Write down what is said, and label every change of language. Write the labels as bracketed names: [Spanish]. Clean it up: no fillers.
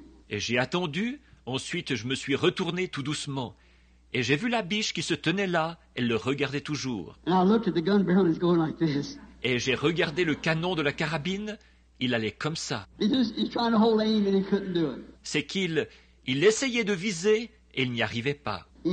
[French] Et j'ai attendu, ensuite je me suis retourné tout doucement, et j'ai vu la biche qui se tenait là, elle le regardait toujours. [English] And I looked at the gun barrel, it's going like this. [French] Et j'ai regardé le canon de la carabine, il allait comme ça. [English] He's trying to hold aim and he couldn't do it. [French] C'est qu'il essayait de viser et il n'y arrivait pas.